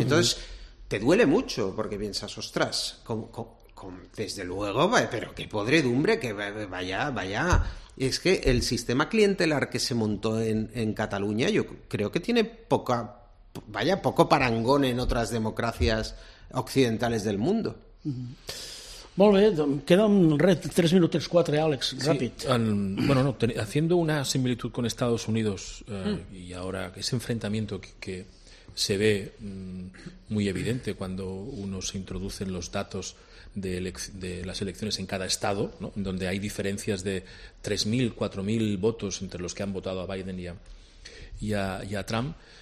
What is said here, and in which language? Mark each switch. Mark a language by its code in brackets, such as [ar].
[es] Entonces, te duele mucho, porque piensas, ostras, desde luego, pero qué podredumbre, que vaya... Es que el sistema clientelar que se montó en Cataluña, yo creo que tiene poco parangón en otras democracias occidentales del mundo. [ca] Molt bé, queda un red 3 minutos 4, Àlex, ràpid. [es] Sí, haciendo una similitud con Estados Unidos y ahora ese enfrentamiento que se ve muy evidente cuando uno se introduce en los datos de las elecciones en cada estado, ¿no? Donde hay diferencias de 3.000, 4.000 votos entre los que han votado a Biden y a Trump.